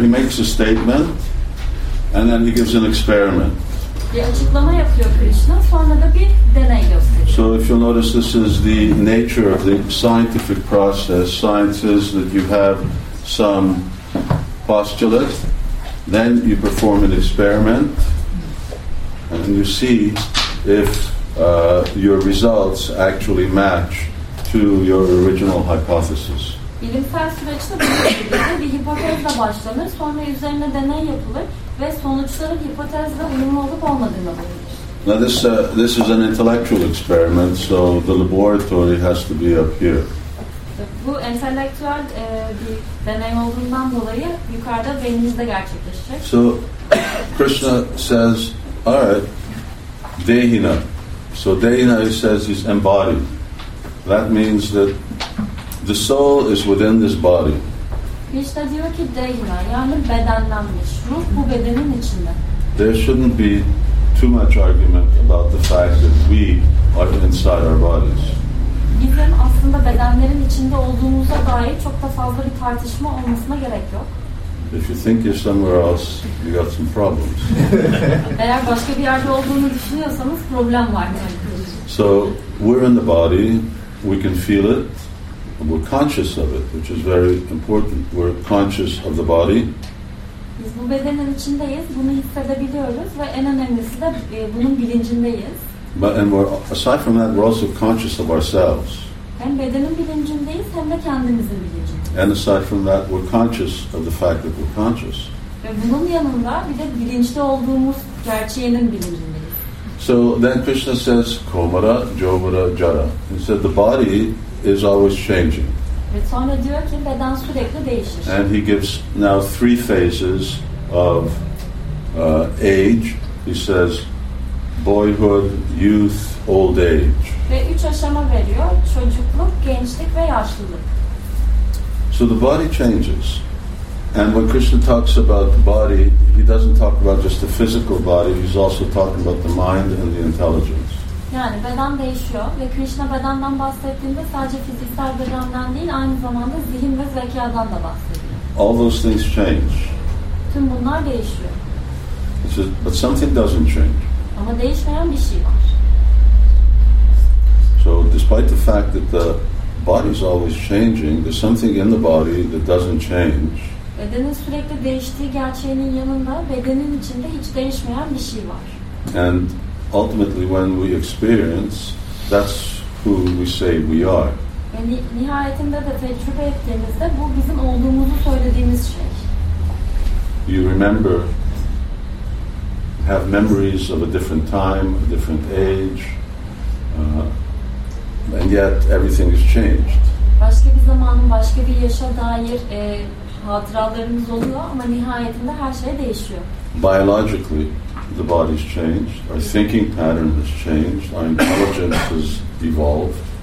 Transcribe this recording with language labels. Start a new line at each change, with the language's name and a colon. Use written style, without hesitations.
English: He makes a statement and then he gives an experiment.
Turkish: Bir açıklama yapıyor Krishna, sonra da bir deney gösteriyor.
English: So if you'll notice, this is the nature of the scientific process. Science is that you have some postulate, then you perform an experiment, and you see if your results actually match to your original hypothesis.
Turkish: Bilimsel süreçte bir hipotezle başlanır, sonra üzerine deney yapılır ve sonuçların hipotezle uyumlu olup olmadığına bakılır.
English: Now this is an intellectual experiment, so the laboratory has to be up here.
Turkish: Bu entelektüel bir deney olduğundan dolayı yukarıda beyninizde gerçekleşecek.
English: So Krishna says, all right, Dehina. So Dehina, he says, is embodied. That means that the soul is within this body.
Turkish: Krishna diyor ki Dehina, yani bedenlenmiş. Ruh bu bedenin içinde.
English: There shouldn't be too much argument about the fact that we are inside our bodies.
Turkish: Bizim aslında bedenlerin içinde olduğumuza dair çok da fazla bir tartışma olmasına gerek yok.
English: If you think you're somewhere else, you got some problems.
Turkish: Eğer başka bir yerde olduğunu düşünüyorsanız problem var.
English: So we're in the body, we can feel it, and we're conscious of it, which is very important. We're conscious of the body.
Turkish: Biz bu bedenin içindeyiz, bunu hissedebiliyoruz ve en önemlisi de bunun bilincindeyiz.
English: But and we're, aside from that, we're also conscious of ourselves.
Turkish: Hem bedenin bilincindeyiz, hem de kendimizin bilincindeyiz.
English: And aside from that, we're conscious of the fact that we're conscious.
Turkish: Ve bunun yanında bir de bilinçli olduğumuz gerçeğinin bilincindeyiz.
English: So then Krishna says, Komara, Jomara, Jara. He said, the body is always changing.
Turkish: Ve sonra diyor ki, beden sürekli değişir.
English: And he gives now three phases of age. He says, boyhood, youth, old age.
Turkish: Ve üç aşama veriyor. Çocukluk, gençlik ve yaşlılık.
English: So the body changes. And when Krishna talks about the body, he doesn't talk about just the physical body, he's also talking about the mind and the intelligence.
Turkish: Yani beden değişiyor ve Krishna bedenden bahsettiğinde sadece fiziksel bedenden değil, aynı zamanda zihin ve zekadan da bahsediyor.
English: All those things change.
Turkish: Tüm bunlar değişiyor.
English: Just, but something doesn't change.
Turkish: Ama değişmeyen bir şey var.
English: So despite the fact that the body is always changing, there's something in the body that doesn't change.
Turkish: Bedenin sürekli değiştiği gerçeğinin yanında bedenin içinde hiç değişmeyen bir şey var.
English: And ultimately when we experience, that's who we say we are.
Turkish: Yani nihayetinde de tecrübe ettiğimizde bu bizim olduğumuzu söylediğimiz şey.
English: You remember, have memories of a different time, a different age, and yet everything has changed.
Turkish: Başka bir zamanın başka bir yaşa dair hatıralarımız oluyor ama nihayetinde her şey değişiyor.
English: Biologically, the body's changed, our thinking pattern has changed, our intelligence has evolved.